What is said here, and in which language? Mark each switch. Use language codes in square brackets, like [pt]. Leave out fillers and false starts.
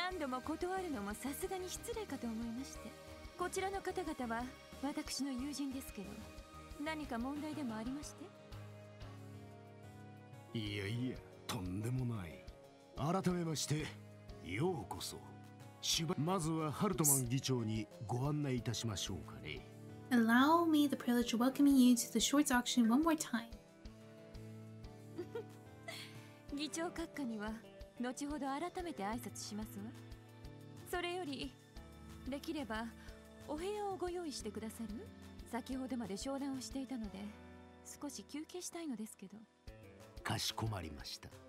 [ja] 何度も断るのもさすがに失礼かと思いまして。こちらの方々は私の友人ですけど、何か問題でもありまして？いやいや、とんでもない。改めまして、ようこそ。まずはハルトマン議長にご案内いたしましょうかね。 [en] Allow me the privilege of welcoming you to the Shorts Auction one more time. [ja] 議長閣下には、後ほど改めて挨拶しますわ。それよりできればお部屋をご用意してくださる？先ほどまで商談をしていたので少し休憩したいのですけど。かしこまりました。